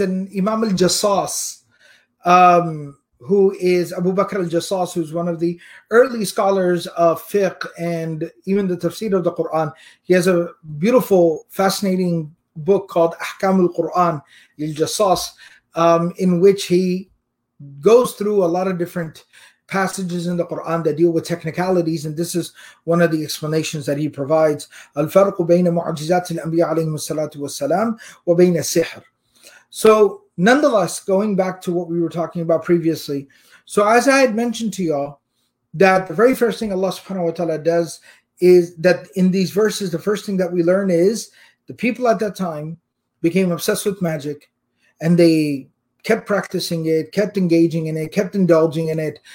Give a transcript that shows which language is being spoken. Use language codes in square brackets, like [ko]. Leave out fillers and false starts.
[en] And Imam al-Jassas, who is Abu Bakr al-Jassas, who's one of the early scholars of fiqh and even the tafsir of the Quran, he has a beautiful, fascinating book called Ahkam al-Quran al-Jassas, in which he goes through a lot of different passages in the Quran that deal with technicalities, and this is one of the explanations that he provides. [ar] الفرق بين معجزات الأنبياء عليهم الصلاة والسلام وبين السحر. [en] So, nonetheless, going back to what we were talking about previously, so as I had mentioned to y'all, that the very first thing Allah subhanahu wa ta'ala does is that in these verses, the first thing that we learn is the people at that time became obsessed with magic, and they kept practicing it, kept engaging in it, kept indulging in it.